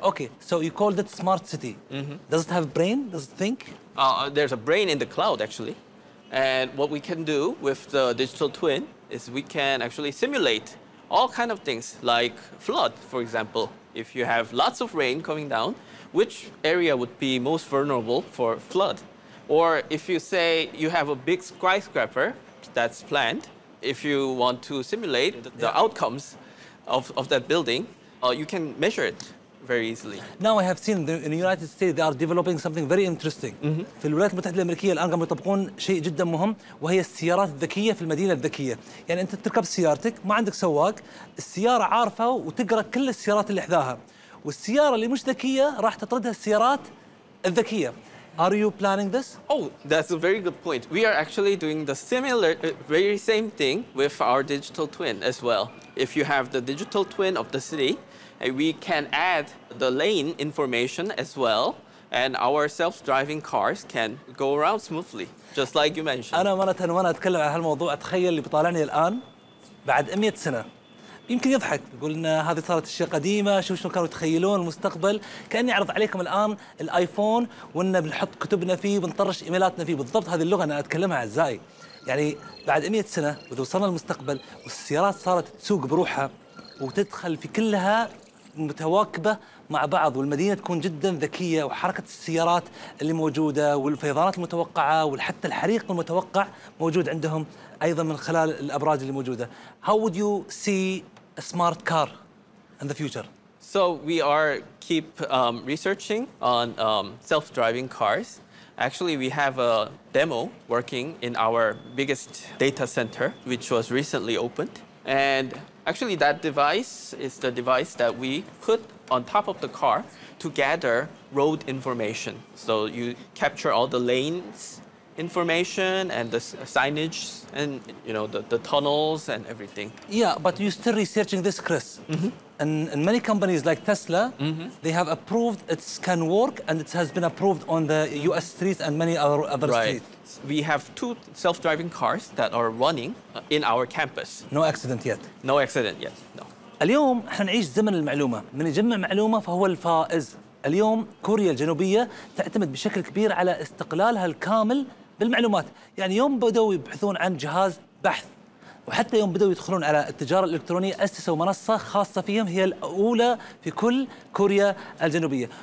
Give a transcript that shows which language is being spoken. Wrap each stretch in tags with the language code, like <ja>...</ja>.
<en>Okay, so you called it smart city. Does it have a brain? Does it think? There's a brain in the cloud, actually. And what we can do with the digital twin is we can actually simulate all kind of things, like flood, for example. If you have lots of rain coming down, which area would be most vulnerable for flood? Or if you say you have a big skyscraper that's planned, if you want to simulate the outcomes of that building, you can measure it very easily. Now I have seen the, in the United States, they are developing something very interesting.</en> <ar>في الولايات المتحدة الأمريكية الآن قاموا يطبقون شيء جدا مهم، وهي السيارات الذكية في المدينة الذكية. يعني أنت تركب سيارتك، ما عندك سواق، السيارة عارفة وتقرأ كل السيارات اللي حذاها، والسيارة اللي مش ذكية راح تطردها السيارات الذكية.</ar> <en>Are you planning this? Oh, that's a very good point. We are actually doing the similar, very same thing with our digital twin as well. If you have the digital twin of the city, we can add the lane information as well, and our self-driving cars can go around smoothly, just like you mentioned.</en> <ar>أنا مرة وأنا أتكلم عن هالموضوع أتخيل اللي بطالعني الآن بعد 100 سنة. يمكن يضحك يقول لنا هذه صارت أشياء قديمة، شوف شو كانوا يتخيلون المستقبل. كأني أعرض عليكم الآن الآيفون وإننا بنحط كتبنا فيه وبنطرش إيميلاتنا فيه. بالضبط هذه اللغة أنا أتكلمها أعزائي. يعني بعد 100 سنة وإذا وصلنا المستقبل والسيارات صارت تسوق بروحها وتدخل في كلها متواكبة مع بعض، والمدينة تكون جدا ذكية، وحركة السيارات اللي موجودة والفيضانات المتوقعة وحتى الحريق المتوقع موجود عندهم أيضا من خلال الأبراج اللي موجودة.</ar> <en>How would you see a smart car in the future? So we are keep researching on self-driving cars. Actually, we have a demo working in our biggest data center, which was recently opened. And actually, that device is the device that we put on top of the car to gather road information. So you capture all the lanes information and the signage and, you know, the tunnels and everything. Yeah, but you're still researching this, Chris. Mm-hmm. And many companies like Tesla, mm-hmm. they have approved it can work, and it has been approved on the U.S. streets and many other right. streets. We have two self-driving cars that are running in our campus. No accident yet. No accident yet, no.</en> <ar>اليوم حنعيش زمن المعلومة. من يجمع معلومة فهو الفائز. اليوم كوريا الجنوبية تعتمد بشكل كبير على استقلالها الكامل بالمعلومات. يعني يوم بدأوا يبحثون عن جهاز بحث وحتى يوم بدأوا يدخلون على التجارة الإلكترونية أسسوا منصة خاصة فيهم هي الأولى في كل كوريا الجنوبية.</ar>